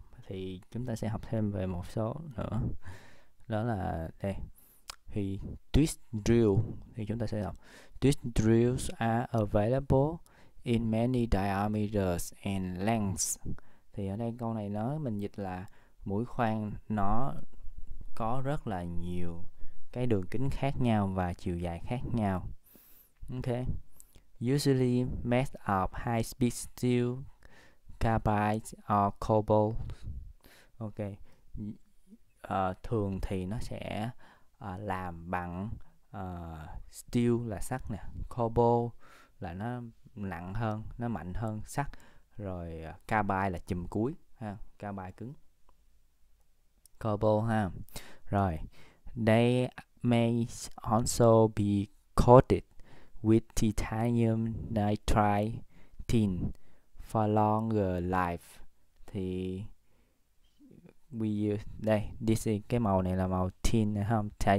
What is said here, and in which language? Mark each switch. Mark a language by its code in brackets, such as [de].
[vi] Thì chúng ta sẽ học thêm về một số nữa, đó là đây thì twist drill, thì chúng ta sẽ học [en] twist drills are available in many diameters and lengths. [vi] Thì ở đây câu này nói mình dịch là mũi khoan nó có rất là nhiều cái đường kính khác nhau và chiều dài khác nhau. [en] Ok, usually made of high speed steel carbide or cobalt. [vi] Ok, thường thì nó sẽ làm bằng steel là sắt nè, cobalt là nó nặng hơn, nó mạnh hơn sắt, rồi carbide là chùm cuối ha, carbide cứng, cobalt ha. [en] Rồi, they may also be coated with titanium nitride tin for longer life. [vi] Thì đây, [en] this is [vi] cái màu này là màu tin này không?